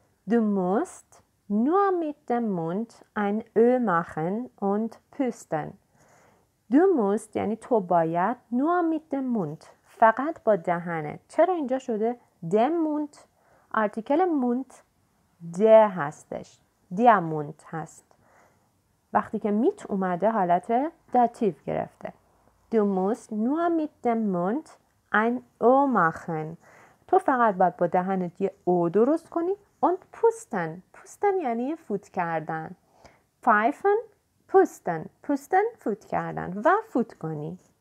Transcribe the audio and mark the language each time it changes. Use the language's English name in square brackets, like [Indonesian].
[German] Du musst nur mit dem Mund ein Ö machen und pusten. Du musst, [Persian] یعنی تو باید, [German] nur mit dem Mund, [Persian] فقط با دهنت. چرا اینجا شده dem Mund? آرتیکل Mund der هستش. Der Mund هست. وقتی که mit اومده حالت داتیو گرفته. [German] Du musst nur mit dem Mund ein Ö machen. [Persian] تو فقط باید با دهنت یه او درست کنی [German] und pusten. [Persian] Pusten یعنی فوت کردن. [German] Pfeifen, pusten. Pusten, [Persian] فوت کردن. و فوت کنی.